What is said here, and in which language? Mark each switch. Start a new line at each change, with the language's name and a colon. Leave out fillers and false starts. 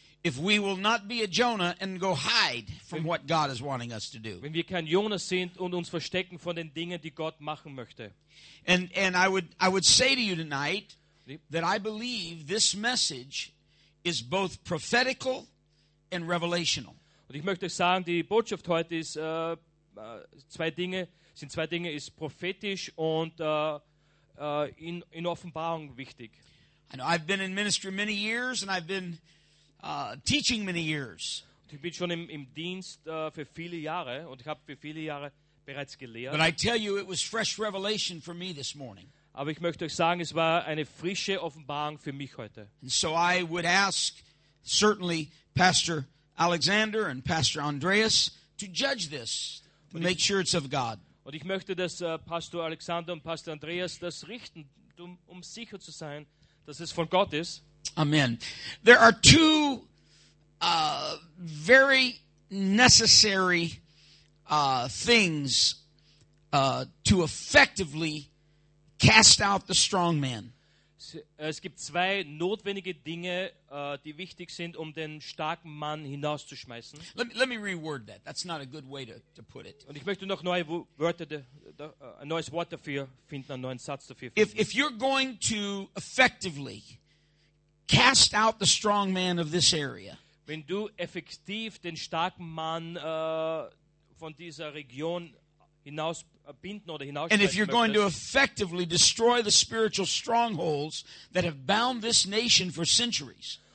English: If we will not be a Jonah and go hide from what God is wanting us to do.
German: Wenn wir kein Jonas sind und uns verstecken von den Dingen, die Gott machen möchte.
English: And I would say to you tonight that I believe this message is both prophetical and revelational.
German: Und ich möchte sagen, die Botschaft heute ist zwei Dinge, ist prophetisch und in Offenbarung wichtig.
English: I know I've been in ministry many years and I've been teaching many years.
German: Ich bin schon im Dienst für viele Jahre und ich habe für viele Jahre bereits gelehrt.
English: But I tell you, it was fresh revelation for me this morning.
German: Aber ich möchte euch sagen, es war eine frische Offenbarung für mich heute.
English: And so I would ask certainly Pastor Alexander and Pastor Andreas to judge this to make sure it's of God.
German: Und ich möchte, dass Pastor Alexander und Pastor Andreas das richten, um sicher zu sein, dass es von Gott ist.
English: Amen. There are two very necessary things to effectively cast out the strong man.
German: Es gibt zwei notwendige Dinge, die wichtig sind, um den starken Mann hinauszuschmeißen.
English: Let me reword that. That's not a good way to put it.
German: Und ich möchte noch neue Wörter, ein neues Wort dafür finden, einen neuen Satz dafür finden.
English: If you're going to effectively cast out the strong man of this area.
German: Wenn du effektiv den starken Mann von dieser Region hinausbinden oder hinausschmeißen.
English: And if you're going to effectively destroy the spiritual strongholds that have bound this nation for centuries.